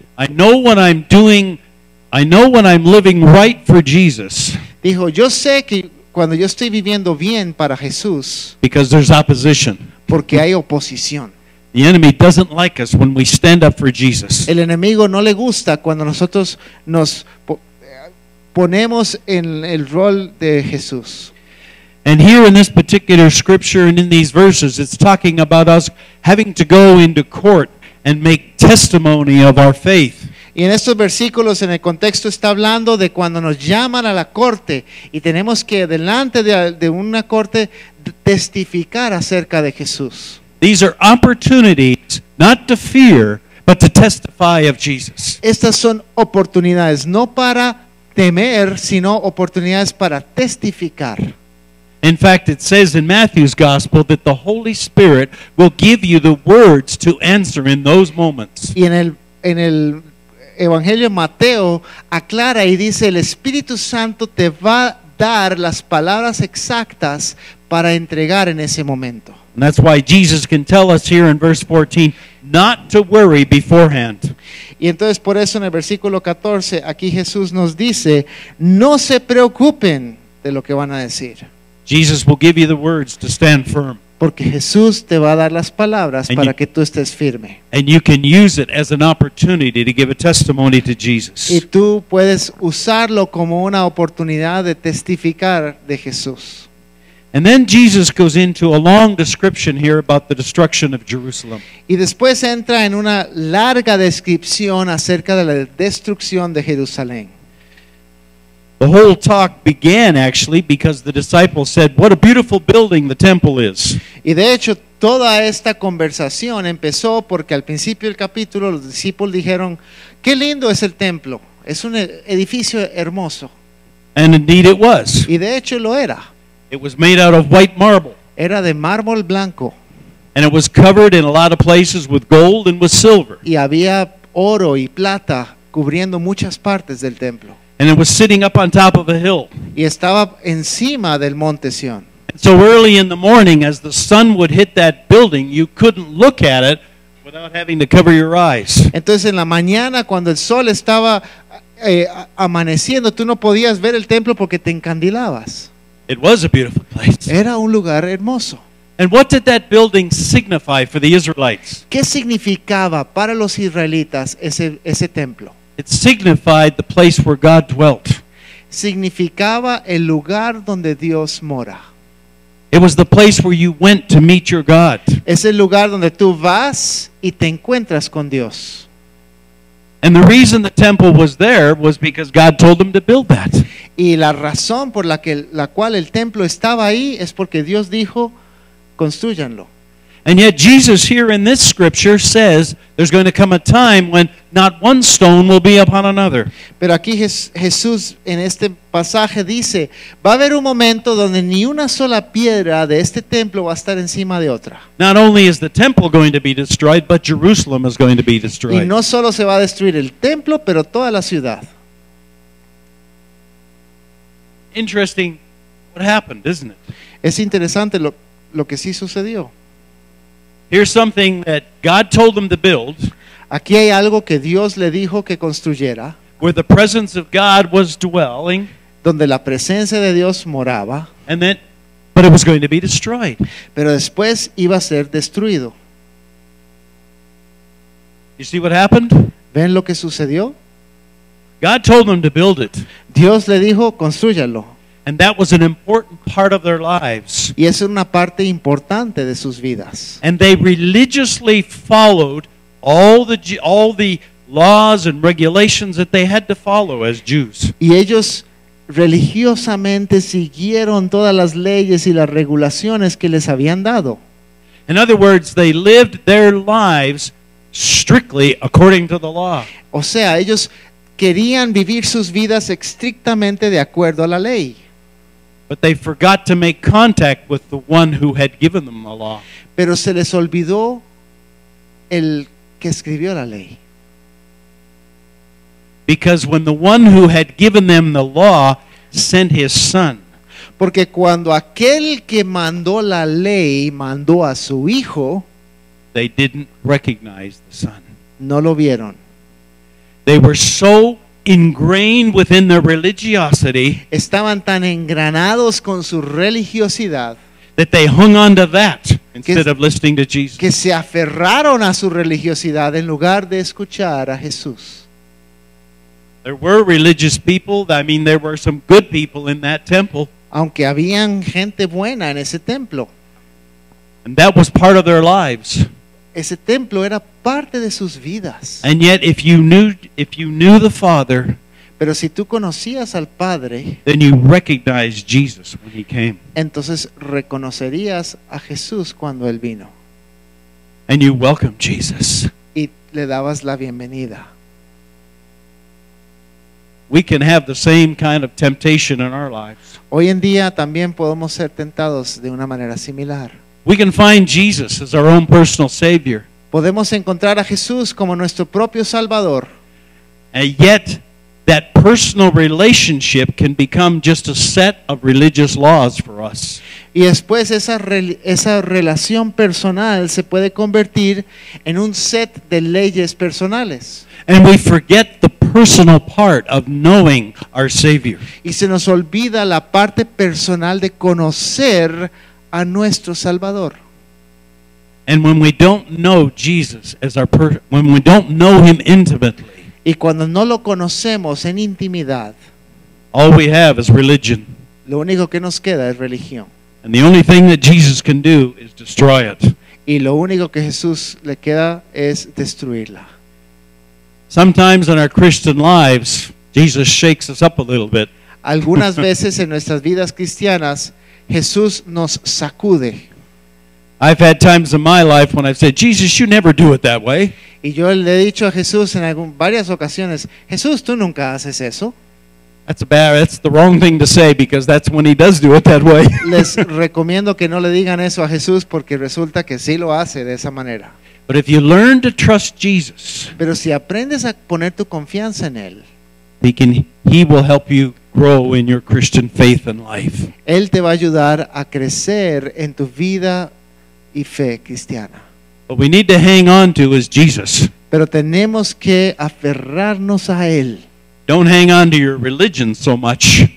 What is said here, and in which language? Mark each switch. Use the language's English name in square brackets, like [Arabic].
[English] I know what I'm doing. I know when I'm living right for Jesus. [Spanish] Dijo, yo sé que cuando yo estoy viviendo bien para Jesús. [English] Because there's opposition. [Spanish] Porque hay oposición. [English] The enemy doesn't like us when we stand up for Jesus. [Spanish] El enemigo no le gusta cuando nosotros nos ponemos en el rol de Jesús. [English] And here in this particular scripture and in these verses, it's talking about us having to go into court and make testimony of our faith. [Spanish] Y en estos versículos, en el contexto, está hablando de cuando nos llaman a la corte y tenemos que, delante de una corte, testificar acerca de Jesús. [English] These are opportunities not to fear, but to testify of Jesus. [Spanish] Estas son oportunidades, no para temer, sino oportunidades para testificar. [English] In fact, it says in Matthew's gospel that the Holy Spirit will give you the words to answer in those moments. [Spanish] Y en el Evangelio de Mateo aclara y dice, el Espíritu Santo te va a dar las palabras exactas para entregar en ese momento. [English] And that's why Jesus can tell us here in verse 14 not to worry beforehand. [Spanish] Y entonces por eso en el versículo 14 aquí Jesús nos dice, no se preocupen de lo que van a decir. [English] Jesus will give you the words to stand firm. [Spanish] Porque Jesús te va a dar las palabras para que tú estés firme. [English] And you can use it as an opportunity to give a testimony to Jesus. [Spanish] Y tú puedes usarlo como una oportunidad de testificar de Jesús. [English] And then Jesus goes into a long description here about the destruction of Jerusalem. [Spanish] Y después entra en una larga descripción acerca de la destrucción de Jerusalén. [English] The whole talk began actually because the disciples said, "What a beautiful building the temple is." [Spanish] Y de hecho, toda esta conversación empezó porque al principio del capítulo los discípulos dijeron, "Qué lindo es el templo, es un edificio hermoso." [English] And indeed it was. [Spanish] Y de hecho lo era. [English] It was made out of white marble. [Spanish] Era de mármol blanco. [English] And it was covered in a lot of places with gold and with silver. [Spanish] Y había oro y plata cubriendo muchas partes del templo. [English] And it was sitting up on top of a hill. [Spanish] Y estaba encima del monte Sion. [English] So early in the morning, as the sun would hit that building, you couldn't look at it without having to cover your eyes. [Spanish] Entonces en la mañana cuando el sol estaba amaneciendo, tú no podías ver el templo porque te encandilabas. [English] It was a beautiful place. [Spanish] Era un lugar hermoso. [English] And what did that building signify for the Israelites? [Spanish] ¿Qué significaba para los israelitas ese templo? [English] It signified the place where God dwelt. [Spanish] Significaba el lugar donde Dios mora. [English] It was the place where you went to meet your God. [Spanish] Es el lugar donde tú vas y te encuentras con Dios. [English] And the reason the temple was there was because God told them to build that. [Spanish] Y la razón por la cual el templo estaba ahí es porque Dios dijo, construyanlo. [English] And yet Jesus here in this scripture says there's going to come a time when not one stone will be upon another. [Spanish] Pero aquí Jesús en este pasaje dice, va a haber un momento donde ni una sola piedra de este templo va a estar encima de otra. [English] Not only is the temple going to be destroyed, but Jerusalem is going to be destroyed. [Spanish] Y no solo se va a destruir el templo, pero toda la ciudad. [English] Interesting what happened, isn't it? [Spanish] Es interesante lo que sí sucedió. [English] Here's something that God told them to build. [Spanish] Aquí hay algo que Dios le dijo que construyera. [English] Where the presence of God was dwelling. [Spanish] Donde la presencia de Dios moraba. [English] And then, but it was going to be destroyed. [Spanish] Pero después iba a ser destruido. [English] You see what happened? [Spanish] ¿Ven lo que sucedió? [English] God told them to build it. [Spanish] Dios le dijo, constrúyalo. [English] And that was an important part of their lives. [Spanish] Y es una parte importante de sus vidas. [English] And they religiously followed all the laws and regulations that they had to follow as Jews. [Spanish] Y ellos religiosamente siguieron todas las leyes y las regulaciones que les habían dado. [English] In other words, they lived their lives strictly according to the law. [Spanish] O sea, ellos querían vivir sus vidas estrictamente de acuerdo a la ley. [English] But they forgot to make contact with the one who had given them the law. [Spanish] Pero se les olvidó el que escribió la ley. [English] Because when the one who had given them the law sent his son. [Spanish] Porque cuando aquel que mandó la ley mandó a su hijo, [English] they didn't recognize the son. [Spanish] No lo vieron. [English] They were so ingrained within their religiosity, [Spanish] estaban tan engranados con su religiosidad, [English] that they hung on to that instead of listening to Jesus. [Spanish] Que se aferraron a su religiosidad en lugar de escuchar a Jesús. [English] There were religious people. I mean, there were some good people in that temple. [Spanish] Aunque habían gente buena en ese templo, [English] and that was part of their lives. [Spanish] Ese templo era parte de sus vidas. [English] And yet if you knew the Father, [Spanish] pero si tú conocías al Padre, [English] then you recognized Jesus when he came. [Spanish] Entonces reconocerías a Jesús cuando él vino. [English] And you welcomed Jesus. [Spanish] Y le dabas la bienvenida. [English] We can have the same kind of temptation in our lives. [Spanish] Hoy en día también podemos ser tentados de una manera similar. [English] We can find Jesus as our own personal savior. [Spanish] Podemos encontrar a Jesús como nuestro propio salvador. [English] And yet that personal relationship can become just a set of religious laws for us. [Spanish] Y después esa relación personal se puede convertir en un set de leyes personales. [English] And we forget the personal part of knowing our savior. [Spanish] Y se nos olvida la parte personal de conocer a nuestro Salvador. [English] And when we don't know Jesus as our person, when we don't know him intimately, [Spanish] y cuando no lo conocemos en intimidad, [English] all we have is religion. [Spanish] Lo único que nos queda es religión. [English] And the only thing that Jesus can do is destroy it. [Spanish] Y lo único que Jesús le queda es destruirla. [English] Sometimes in our Christian lives, Jesus shakes us up a little bit. [Spanish] Algunas veces en nuestras vidas cristianas, Jesús nos sacude. [English] I've had times in my life when I've said, Jesus, you never do it that way. [Spanish] Y yo le he dicho a Jesús en varias ocasiones, Jesús, tú nunca haces eso. [English] That's bad. That's the wrong thing to say because that's when he does do it that way. [Spanish] Les recomiendo que no le digan eso a Jesús porque resulta que sí lo hace de esa manera. [English] But if you learn to trust Jesus, [Spanish] pero si aprendes a poner tu confianza en él, [English] he will help you grow in your Christian faith and life. [Spanish] Él te va a ayudar a crecer en tu vida y fe cristiana. [English] What we need to hang on to is Jesus. [Spanish] Pero tenemos que aferrarnos a él. [English] Don't hang on to your religion so much.